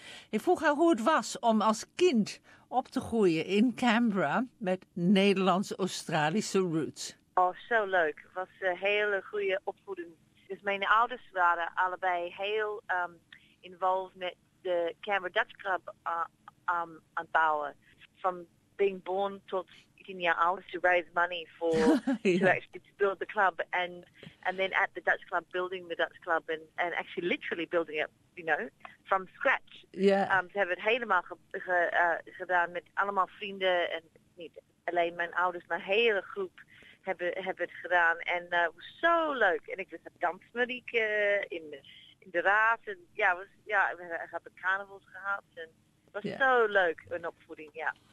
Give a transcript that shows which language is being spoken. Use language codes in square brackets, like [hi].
[nl] Ik vroeg haar hoe het was om als kind op te groeien in Canberra met Nederlands-Australische roots. Oh, zo leuk. Het was een hele goede opvoeding. Dus mijn ouders waren allebei heel involved met de Canberra Dutch Club aan het bouwen. Van [en] being born [nl] tot [en] 18 year olds to raise money for to build the club, and then at the Dutch club, building the Dutch club and actually literally building it, you know, from scratch. Yeah. To have it [nl] helemaal gedaan met allemaal vrienden en niet alleen mijn ouders, maar hele groep. Hebben het gedaan. En het was zo leuk. En ik was een dansmuziek in de raad. En ja, we hebben carnavals gehad. En het was zo leuk, een opvoeding, ja.